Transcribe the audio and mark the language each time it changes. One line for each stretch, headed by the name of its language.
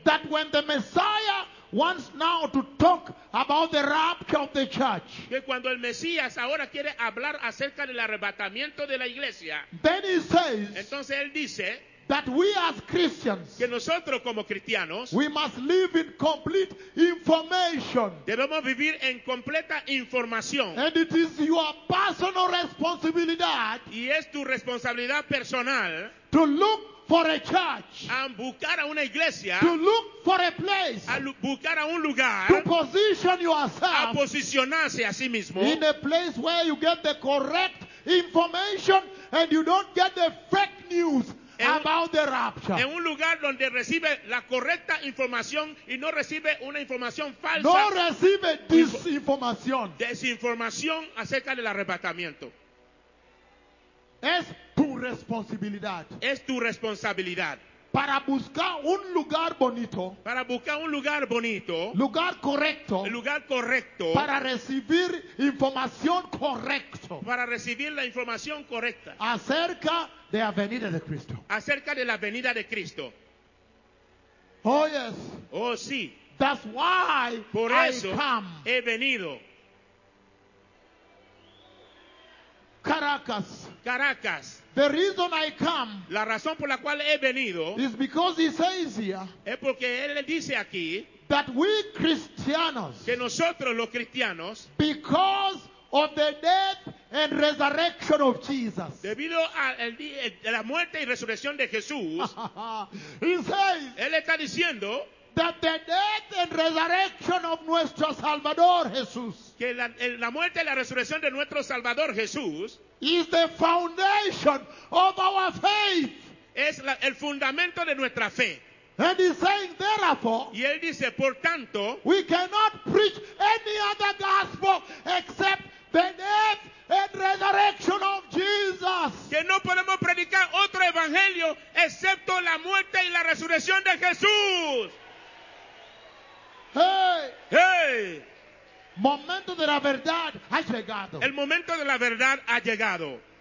English: that when the Messiah wants now to talk about the rapture of the church,
Spanish: que cuando el Mesías ahora quiere hablar acerca del arrebatamiento de la iglesia,
English: then he says,
Spanish: entonces él dice,
English: that we as Christians,
Spanish: que nosotros como cristianos,
English: we must live in complete information.
Spanish: Debemos vivir en completa información.
English: And it is your personal responsibility,
Spanish: y es tu responsabilidad personal,
English: to look for a church,
Spanish: a buscar a una iglesia,
English: to look for a place,
Spanish: a buscar a un lugar,
English: to position yourself,
Spanish: a posicionarse a sí mismo,
English: in a place where you get the correct information and you don't get the fake news about the rapture.
Spanish: En un lugar donde recibe la correcta información y no recibe una información falsa. No recibe disinformación. Desinformación acerca del arrebatamiento. Es tu responsabilidad. Es tu responsabilidad. Para buscar un lugar bonito. Para buscar un lugar bonito. Lugar correcto. Lugar correcto. Para recibir información correcta. Para recibir la información correcta. Acerca de la venida de Cristo. Acerca de la venida de Cristo.
English: Oh yes.
Spanish: Oh sí.
English: That's why
Spanish: por
English: I
Spanish: eso
English: come.
Spanish: He venido. Caracas. Caracas.
English: The reason I come,
Spanish: la razón por la cual he venido,
English: is because he says here,
Spanish: es porque él dice aquí,
English: that we Christianos,
Spanish: que nosotros los cristianos,
English: because of the death and resurrection of Jesus,
Spanish: debido a la muerte y resurrección de Jesús,
English: he says,
Spanish: él está diciendo,
English: that the death and resurrection of
Spanish: nuestro Salvador Jesús, que la muerte y la resurrección de nuestro Salvador Jesús,
English: is the foundation of our faith.
Spanish: Es el fundamento de nuestra fe.
English: And he's saying, therefore,
Spanish: y él dice, por tanto,
English: we cannot preach any other gospel except the death and resurrection of Jesus.
Spanish: Que no podemos predicar otro evangelio excepto la muerte y la resurrección de Jesús. Hey, hey. Momento de la verdad ha llegado. El momento de la verdad ha llegado.